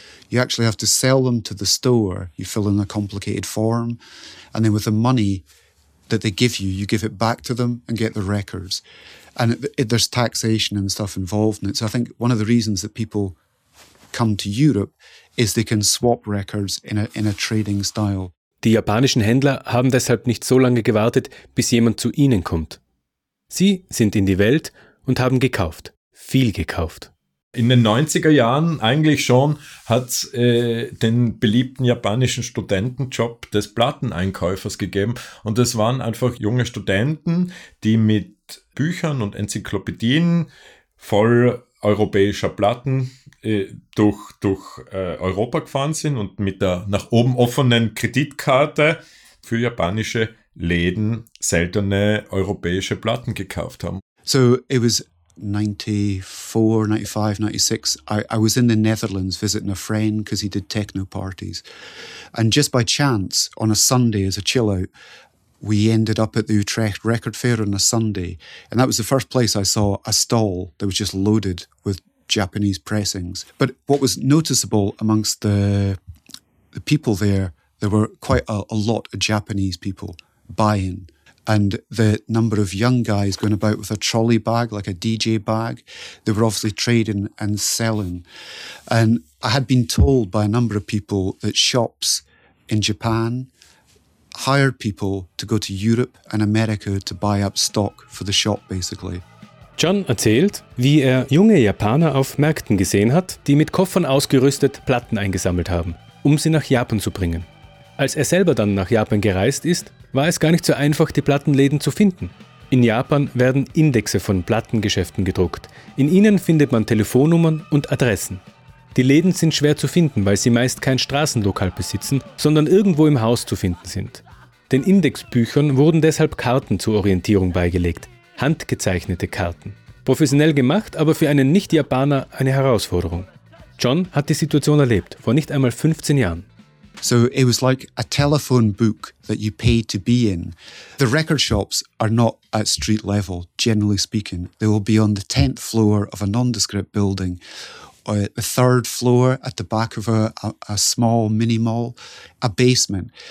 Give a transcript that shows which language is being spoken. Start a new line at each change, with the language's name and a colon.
English: You actually have to sell them to the store. You fill in a complicated form. And then with the money that they give you, you give it back to them and get the records. And there's taxation and stuff involved in it. So I think one of the reasons that people come to Europe is they can swap records in a trading style.
German: Die japanischen Händler haben deshalb nicht so lange gewartet, bis jemand zu ihnen kommt. Sie sind in die Welt und haben gekauft, viel gekauft. In den 90er Jahren eigentlich schon hat es den beliebten japanischen Studentenjob des Platteneinkäufers gegeben. Und das waren einfach junge Studenten, die mit Büchern und Enzyklopädien voll europäischer Platten durch Europa gefahren sind und mit der nach oben offenen Kreditkarte für japanische Läden seltene europäische Platten gekauft haben.
English: So it was 94, 95, 96. I was in the Netherlands visiting a friend because he did techno parties. And just by chance, on a Sunday as a chill out, we ended up at the Utrecht Record Fair on a Sunday. And that was the first place I saw a stall that was just loaded with Japanese pressings. But what was noticeable amongst the people there, there were quite a lot of Japanese people buying. And the number of young guys going about with a trolley bag, like a DJ bag, they were obviously trading and selling. And I had been told by a number of people that shops in Japan hired people to go to Europe and America to buy up stock for the shop, basically.
German: John erzählt, wie junge Japaner auf Märkten gesehen hat, die mit Koffern ausgerüstet Platten eingesammelt haben, sie nach Japan zu bringen. Als selber dann nach Japan gereist ist, war es gar nicht so einfach, die Plattenläden zu finden. In Japan werden Indexe von Plattengeschäften gedruckt. In ihnen findet man Telefonnummern und Adressen. Die Läden sind schwer zu finden, weil sie meist kein Straßenlokal besitzen, sondern irgendwo im Haus zu finden sind. Den Indexbüchern wurden deshalb Karten zur Orientierung beigelegt. Handgezeichnete Karten. Professionell gemacht, aber für einen Nicht-Japaner eine Herausforderung. John hat die Situation erlebt, vor nicht einmal 15 Jahren.
English: So it was like a telephone book that you pay to be in. The record shops are not at street level, generally speaking. They will be on the 10th floor of a nondescript building, or the third floor at the back of a small mini mall, a basement.